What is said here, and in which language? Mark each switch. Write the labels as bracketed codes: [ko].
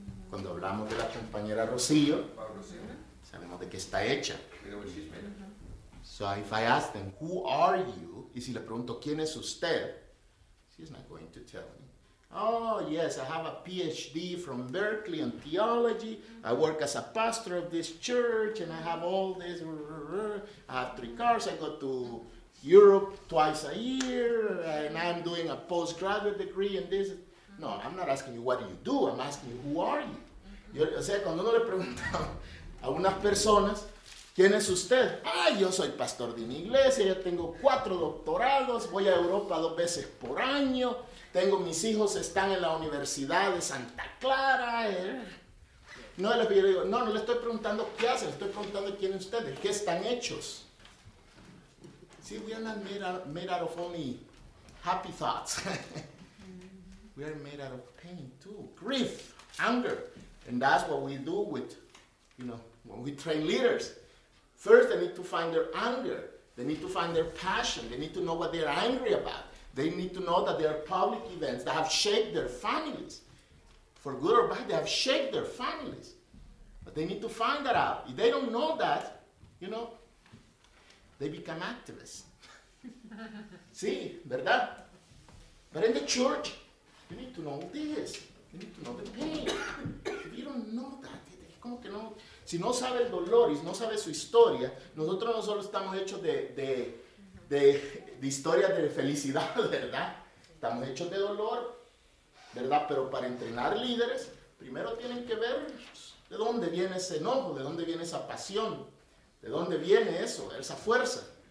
[es] Cuando hablamos de la compañera Rocío, sabemos de qué está hecha. [en] We know what she's made of. So if I ask them, who are you? [es] Y si le pregunto, ¿quién es usted? [en] She's not going to tell me. Oh, yes, I have a PhD from Berkeley in theology. I work as a pastor of this church, and I have all this. I have 3 cars. I go to Europe twice a year, and I'm doing a postgraduate degree in this. No, I'm not asking you what do you do. I'm asking you, who are you? [es] O sea, cuando uno le pregunta a unas personas, ¿quién es usted? Ah, yo soy pastor de una iglesia, yo tengo 4 doctorados, voy a Europa 2 veces por año, tengo mis hijos, están en la Universidad de Santa Clara. No, yo le digo, no le estoy preguntando qué hacen, le estoy preguntando quién es usted, de qué están hechos. [en] See, we are not made out of only happy thoughts. We are made out of pain too, grief, anger. And that's what we do with, you know, when we train leaders. First, they need to find their anger. They need to find their passion. They need to know what they're angry about. They need to know that there are public events that have shaped their families. For good or bad, they have shaped their families. But they need to find that out. If they don't know that, you know, they become activists. [es] Sí, ¿verdad? [en] But in the church, you need to know this. You need to know the pain. If you don't know that, [es] ¿cómo que no? Si no sabe el dolor y no sabe su historia, nosotros no solo estamos hechos de historias de felicidad, ¿verdad? Estamos hechos de dolor, ¿verdad? Pero para entrenar líderes, primero tienen que ver de dónde viene ese enojo, de dónde viene esa pasión, de dónde viene eso, esa fuerza.